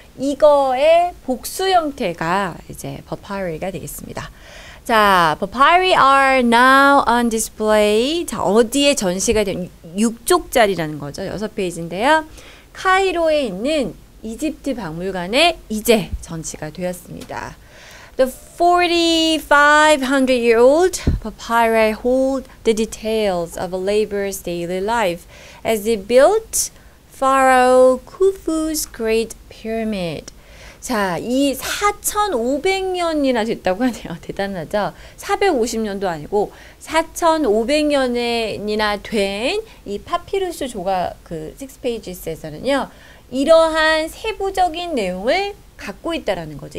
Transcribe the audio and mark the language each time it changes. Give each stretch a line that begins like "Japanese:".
Korean: 이거의 복수 형태가 이제 papyri가 되겠습니다.
English: 자, papyri are now on display.
Korean: 자, 어디에 전시가 된 6쪽짜리라는 거죠. 6페이지인데요. 카이로에 있는 이집트 박물관에 이제 전시가 되었습니다.
English: The 4,500-year-old papyri hold the details of a laborer's daily life as he built Pharaoh Khufu's Great Pyramid.
Korean: 자, 이 4,500년이나 됐다고 하네요. 대단하죠? 450년도 아니고 4,500년이나 된 이 파피루스 조각 그 6 페이지스에서는요. 이러한 세부적인 내용을 갖고 있다라는 거죠.